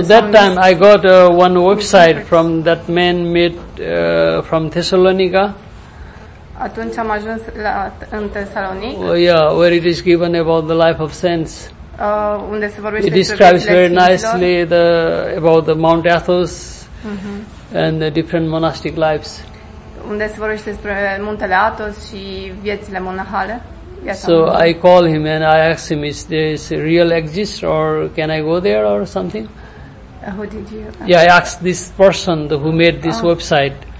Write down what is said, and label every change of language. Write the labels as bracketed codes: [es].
[en] that time I got one website from that man made from Thessalonica. [ro] Atunci am ajuns în Tesalonic. [en] Well, yeah, where it is given about the life of saints. [ro] Unde se vorbește. [en] It describes very nicely about the Mount Athos, mm-hmm. and the different monastic lives. [ro] Unde se vorbește despre Muntele Athos și viețile monahale. [en] So I call him and I ask him, is this real exist or can I go there or something? Who did you? Yeah, I asked this person who made this website.